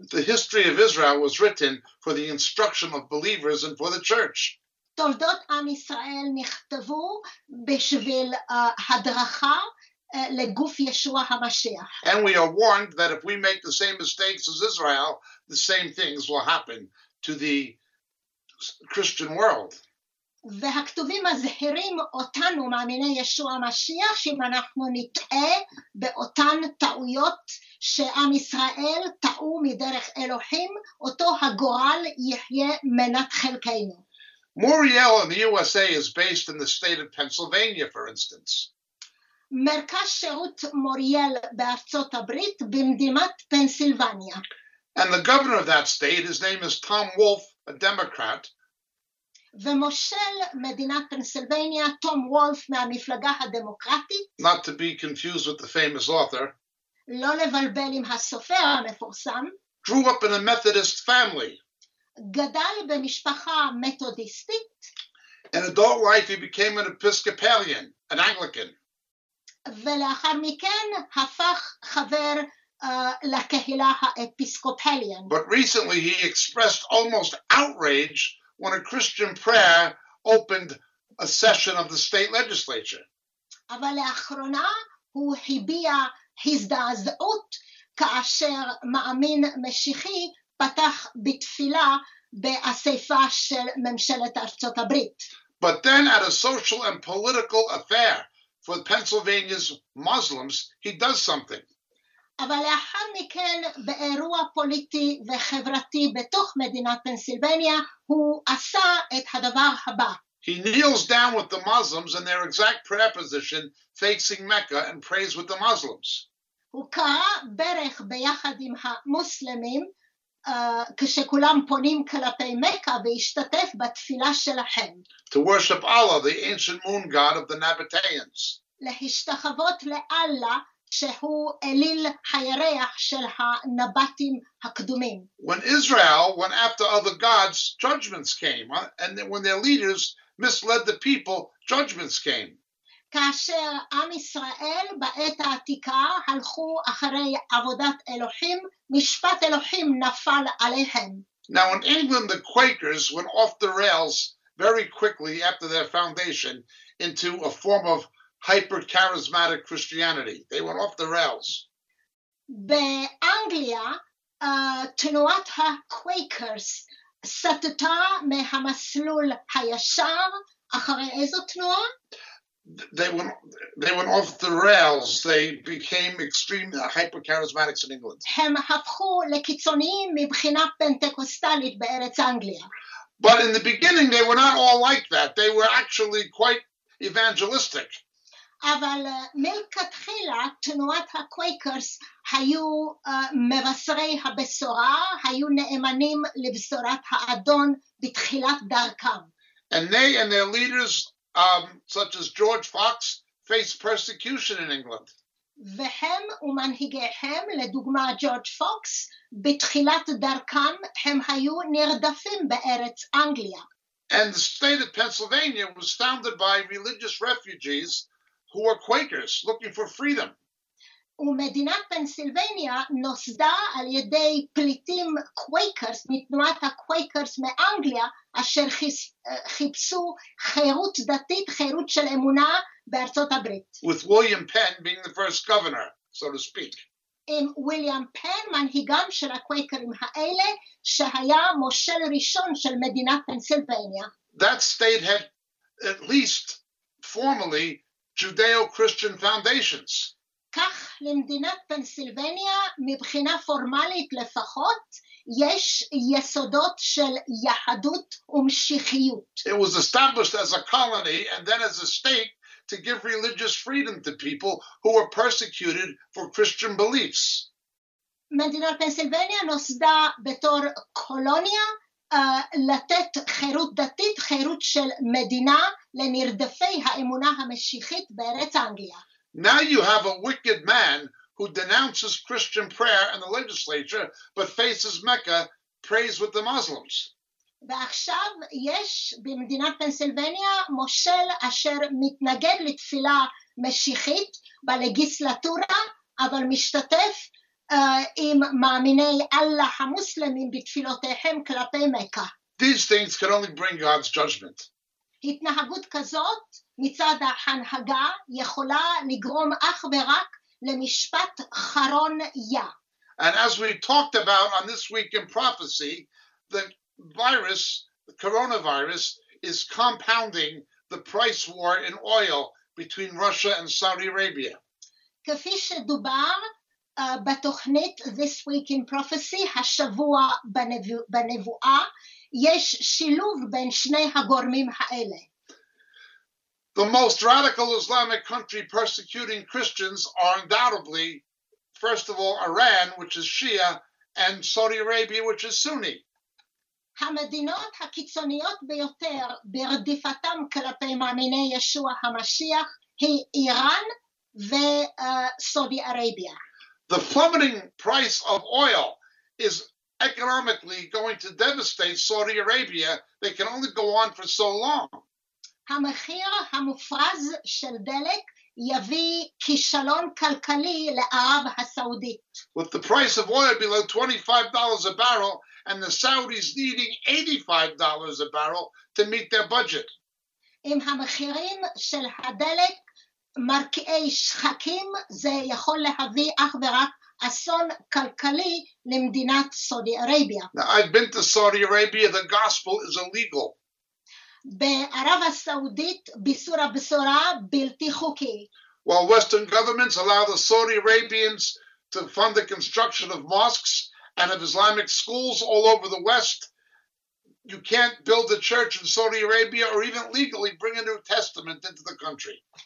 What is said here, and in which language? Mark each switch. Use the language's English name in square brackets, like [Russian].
[English] The history of Israel was written for the instruction of believers and for the church. [Hebrew] תולדות עם ישראל נכתבו בשביל הדרכה לגוף ישוע המשיח. [English] And we are warned that if we make the same mistakes as Israel, the same things will happen to the Christian world. [Hebrew] והכתובים מזהירים אותנו מאמיני ישוע המשיח שאם אנחנו נטעה באותן טעויות שעם ישראל טעו מדרך אלוהים, אותו הגורל יחיה מנת חלקנו. [English] Muriel in the USA is based in the state of Pennsylvania, for instance. [Hebrew] מרכז שירות מוריאל בארצות הברית במדינת פנסילבניה. [English] And the governor of that state, his name is Tom Wolf, a Democrat. [Hebrew] ומושל מדינת פנסילבניה, תום וולף מהמפלגה הדמוקרטית. [English] Not to be confused with the famous author. [Hebrew] לא לבלבל עם הסופר המפורסם. [English] Grew up in a Methodist family. [Hebrew] גדל במשפחה מתודיסטית. [English] In adult life he became an Episcopalian, an Anglican. [Hebrew] ולאחר מכן הפך חבר לקהילה האפיסקופליאן. [English] But recently he expressed almost outrage when a Christian prayer opened a session of the state legislature. [Hebrew] אבל לאחרונה הוא הביע הזדעזעות כאשר מאמין משיחי פתח בתפילה באספה של ממשלת ארצות הברית. [English] But then at a social and political affair for Pennsylvania's Muslims, he does something. [Hebrew] אבל לאחר מכן באירוע פוליטי וחברתי בתוך מדינת פנסילבניה הוא עשה את הדבר הבא. [English] He kneels down with the Muslims in their exact prayer position facing Mecca and prays with the Muslims. [Hebrew] הוא קרא ברך ביחד עם המוסלמים כשכולם פונים כלפי מכה והשתתף בתפילה שלהם. [English] To worship Allah, the ancient moon god of the Nabataeans. [Hebrew] להשתחוות לאללה שהוא אליל הירח של הנבטים הקדומים. [English] When Israel went after other gods, judgments came, and when their leaders misled the people, judgments came. [Hebrew] כאשר עם ישראל בעת העתיקה הלכו אחרי עבודת אלוהים, משפט אלוהים נפל עליהם. [English] Now in England, the Quakers went off the rails very quickly after their foundation into a form of hyper-charismatic Christianity. They went off the rails. [Hebrew] באנגליה, תנועת ה-Quakers סטתה מהמסלול הישר. אחרי איזו תנועה? [English] They went off the rails. They became extreme hyper-charismatics in England. [Hebrew] הם הפכו לקיצוניים מבחינה פנטקוסטלית בארץ אנגליה. [English] But in the beginning, they were not all like that. They were actually quite evangelistic. [Hebrew] אבל מלכתחילה תנועת הקווייקרס היו מבשרי הבשורה, היו נאמנים לבשורת האדון בתחילת דרכם. [English] And they and their leaders, such as George Fox, faced persecution in England. [Hebrew] והם ומנהיגיהם, לדוגמה ג'ורג' פוקס, בתחילת דרכם הם היו נרדפים בארץ אנגליה. [English] And the state of Pennsylvania was founded by religious refugees who were Quakers looking for freedom. [Hebrew] ומדינת פנסילבניה נוסדה על ידי פליטים קווייקרס, מתנועת הקווייקרס מאנגליה, אשר חיפשו חירות דתית, חירות של אמונה בארצות הברית. [English] With William Penn being the first governor, so to speak. [Hebrew] עם ויליאם פן, מנהיגם של הקווייקרים האלה, שהיה מושל ראשון של מדינת פנסילבניה. [English] That state had at least formally Judeo-Christian foundations. [Hebrew] כך למדינת פנסילבניה, מבחינה פורמלית לפחות, יש יסודות של יהדות ומשיחיות. [English] It was established as a colony and then as a state to give religious freedom to people who were persecuted for Christian beliefs. [Hebrew] מדינת פנסילבניה נוסדה בתור קולוניה, לתת חירות דתית, חירות של מדינה לנרדפי האמונה המשיחית בארץ אנגליה. [English] Now you have a wicked man who denounces Christian prayer and the legislature, but faces Mecca, prays with the Muslims. [Hebrew] ועכשיו יש במדינת פנסילבניה מושל אשר מתנגד לתפילה משיחית בלגיסלטורה, אבל משתתף עם מאמיני אללה המוסלמים בתפילותיהם כלפי מכה. [English] These things can only bring God's judgment. [Hebrew] התנהגות כזאת מצד ההנהגה יכולה לגרום אך ורק למשפט חרון יה. [English] And as we talked about on this week in prophecy, the virus, the coronavirus, is compounding the price war in oil between Russia and Saudi Arabia. [Hebrew] כפי שדובר בתוכנית This Week in Prophecy, השבוע בנבואה, יש שילוב בין שני הגורמים האלה. [English] The most radical Islamic country persecuting Christians are undoubtedly, first of all, Iran, which is Shia, and Saudi Arabia, which is Sunni. [Hebrew] המדינות הקיצוניות ביותר ברדיפתם כלפי מאמיני ישוע המשיח היא איראן וסעודי ארביה. [English] The plummeting price of oil is economically going to devastate Saudi Arabia. They can only go on for so long. [Hebrew] המחיר המופרז של דלק יביא כישלון כלכלי לערב הסעודית. [English] With the price of oil below $25 a barrel, and the Saudis needing $85 a barrel to meet their budget. [Hebrew] אם המחירים של הדלק מרקיעי שחקים, זה יכול להביא אך ורק אסון כלכלי למדינת סעודי ארביה. [English] Now, I've been to Saudi Arabia. The gospel is illegal. [Hebrew] בערב הסעודית ביסור הבשורה בלתי חוקי. [English] While Western governments allow the Saudi Arabians to fund the construction of mosques, and of Islamic schools all over the West, you can't build a church in Saudi Arabia or even legally bring a New Testament into the country.